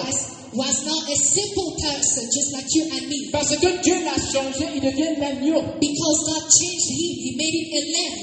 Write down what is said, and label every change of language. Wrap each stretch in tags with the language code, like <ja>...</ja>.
<en>Christ was not a simple person just like you and me.</en> <fr>Parce que Dieu l'a changé, il devient l'agneau.</fr> <en>Because God changed him, he made him a lamb.</en>